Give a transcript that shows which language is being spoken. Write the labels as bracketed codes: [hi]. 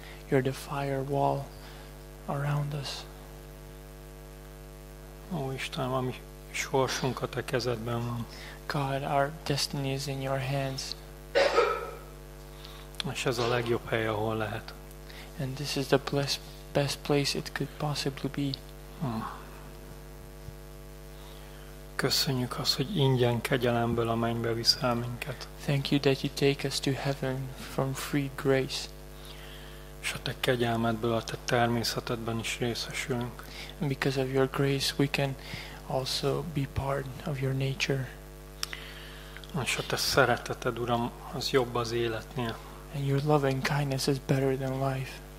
[en] You're the fire wall around us. [hu] Ó Istenem, a mi sorsunk a te kezedben van. [en] God, our destiny is in your hands. [hu] És ez a legjobb hely, ahol lehet. [en] And this is the best place it could possibly be. [hu] Köszönjük azt, hogy ingyen kegyelemből a mennybe viszel minket. [en] Thank you that you take us to heaven from free grace. [hu] És a te kegyelmedből a te természetedben is részesülünk. [en] And because of your grace we can also be part of your nature. [hu] És a te szereteted, Uram, az jobb az életnél. [en] And your loving kindness is better than life.